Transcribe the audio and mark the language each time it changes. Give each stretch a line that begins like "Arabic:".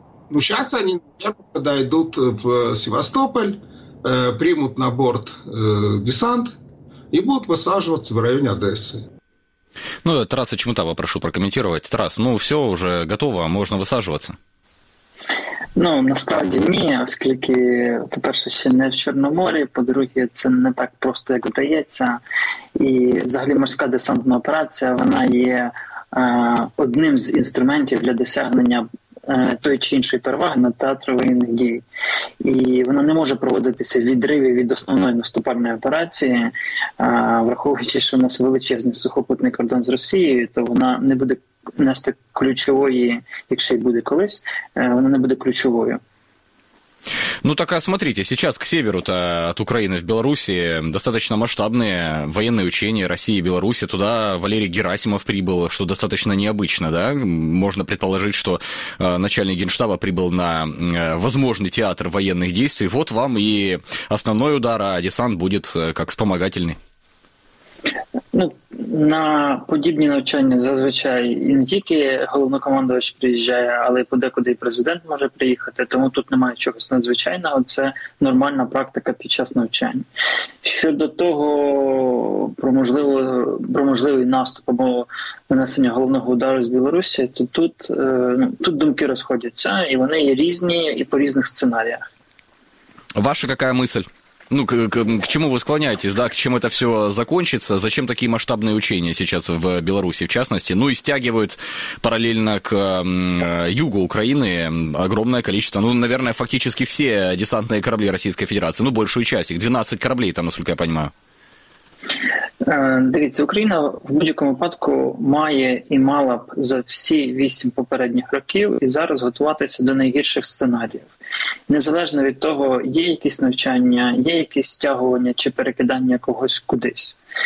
Russian: Ну, сейчас они, наверное, подойдут в Севастополь, примут на борт десант и будут высаживаться в районе Одессы. Ну, Тарас, почему-то попрошу прокомментировать. Тарас, ну, все уже готово, можно высаживаться.
Ukrainian: Ну, насправді ні, оскільки, по-перше, ще не в Чорному морі, по-друге, це не так просто, як здається. І взагалі морська десантна операція, вона є одним з інструментів для досягнення той чи іншої переваги над театром воєнних дій. І вона не може проводитися в відриві від основної наступальної операції, враховуючи, що у нас величезний сухопутний кордон з Росією, то вона не буде нести ключевої, якщо й буде колись, вона не буде ключовою.
Russian: Ну так, а смотрите, сейчас к северу-то от Украины в Белоруссии достаточно масштабные военные учения России и Беларуси. Туда Валерий Герасимов прибыл, что достаточно необычно, да? Можно предположить, что начальник генштаба прибыл на возможный театр военных действий. Вот вам и основной удар, а десант будет как вспомогательный.
Ukrainian: Ну, на подібні навчання зазвичай і не тільки головнокомандувач приїжджає, але й подекуди і президент може приїхати, тому тут немає чогось надзвичайного, це нормальна практика під час навчання. Щодо того, про можливий наступ або нанесення головного удару з Білорусі, то тут думки розходяться, і вони є різні і по різних сценаріях. Ваша яка мисль?
Russian: Ну, к чему вы склоняетесь, да, к чему это все закончится, зачем такие масштабные учения сейчас в Беларуси, в частности, ну и стягивают параллельно к югу Украины огромное количество, ну, наверное, фактически все десантные корабли Российской Федерации, ну, большую часть, их 12 кораблей там, насколько я понимаю.
Ukrainian: Дивіться, Україна в будь-якому випадку має і мала б за всі 8 попередніх років і зараз готуватися до найгірших сценаріїв. Незалежно від того, є якісь навчання, є якісь стягування чи перекидання когось кудись.